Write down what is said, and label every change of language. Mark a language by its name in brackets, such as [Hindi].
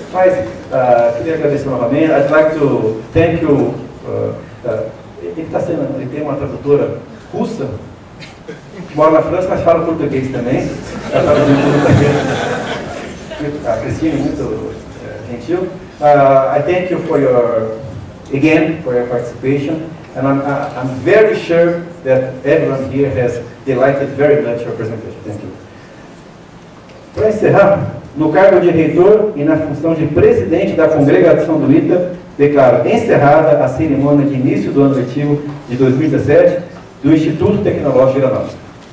[Portuguese] Mas, queria agradecer novamente. [English] I'd like to thank you. [Portuguese] Ele tem uma tradutora russa, mora na França, mas fala português também. Ela está fazendo português. A Cristina é muito gentil. [English] I thank you for your, again, for your participation. And I'm very sure that everyone here has delighted very much your presentation. Thank you. [Portuguese] Para encerrar, no cargo de reitor e na função de presidente da congregação do ITA, declaro encerrada a cerimônia de início do ano letivo de 2017 do Instituto Tecnológico de Aeronáutica.